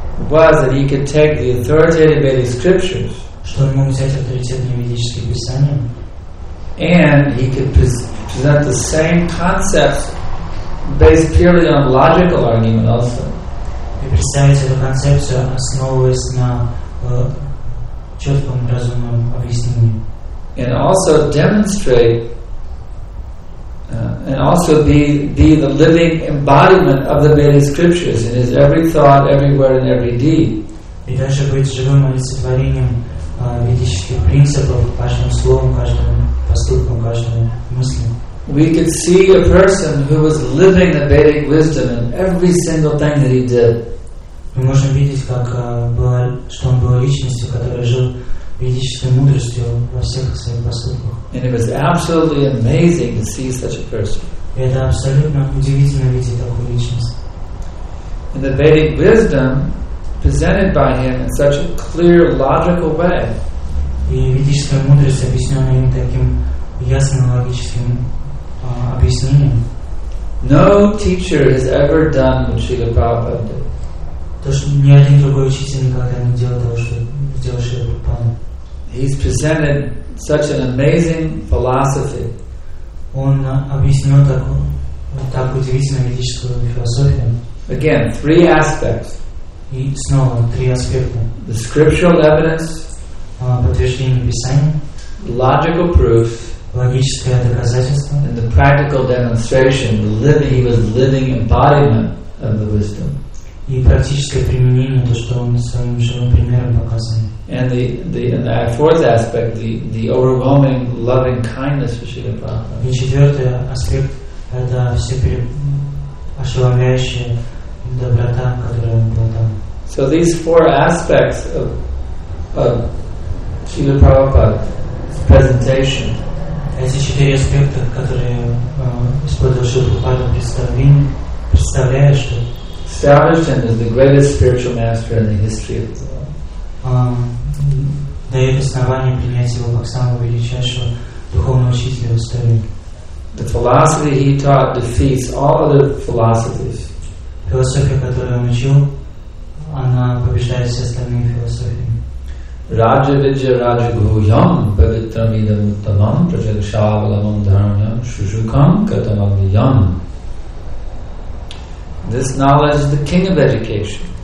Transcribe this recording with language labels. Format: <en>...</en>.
<en>Was that he could take the authoritative Vedic scriptures.</en> <ru>Что он мог взять авторитетные ведические писания.</ru> <en>And he could present the same concepts based purely on logical argument also.</en> <ru>И представить эту концепцию, основываясь на четком разумном объяснении.</ru> <en>And also demonstrate and also be the living embodiment of the Vedic scriptures in his every thought, every word and every deed.</en> <ru>И также быть живым олицетворением ведических принципов каждым словом, каждым поступком, каждой мысли.</ru> <en>We could see a person who was living the Vedic wisdom in every single thing that he did.</en> <ru>Мы можем видеть, как что он был личностью, которая жил ведической мудростью во всех своих поступках.</ru> <en>And it was absolutely amazing to see such a person.</en> <ru>Это абсолютно удивительно видеть такую личность.</ru> <en>And the Vedic wisdom presented by him in such a clear, logical way.</en> <ru>И ведическая мудрость, объясненная им таким ясным логическим объяснением.</ru> <en>No teacher has ever done what Srila Prabhupada did.</en> <ru>То, что ни один другой учитель никогда не делал того, что сделал Шрила Прабхупада.</ru> <en>He's presented such an amazing philosophy.</en> <ru>Он объяснил так удивительную ведическую философию.</ru> <en>Again, three aspects.</en> <ru>И снова три аспекта.</ru> <en>The scriptural evidence.</en> <ru>Подтверждение писания.</ru> <en>Logical proof.</en> <ru>Логическое доказательство.</ru> <en>And the practical demonstration. He was living embodiment of the wisdom.</en> <ru>И практическое применение, то, что он своим живым примером показывает.</ru> <en>And the fourth aspect, the overwhelming loving kindness of Srila Prabhupada.</en> <ru>И четвертый аспект — это ошеломляющая доброта, которая он был там.</ru> <en>So these four aspects of Srila Prabhupada's presentation.</en> <ru>Эти четыре аспекта, которые использовал Шрила Прабхупада в представлении, представляют, что</ru> <en>established him as the greatest spiritual master in the history of the world.</en> <ru>Дает основание принять его как самого величайшего духовного учителя в истории.</ru> <en>The philosophy he taught defeats all other philosophies.</en> <ru>Философия, которую он учил, она побеждает все остальные философии.</ru> <sa>Raja vidya raja guhyam pavitram idam uttamam prajakshavalamam dharmyam shushukam katamavyam.</sa> <en>This knowledge is the king of education.</en>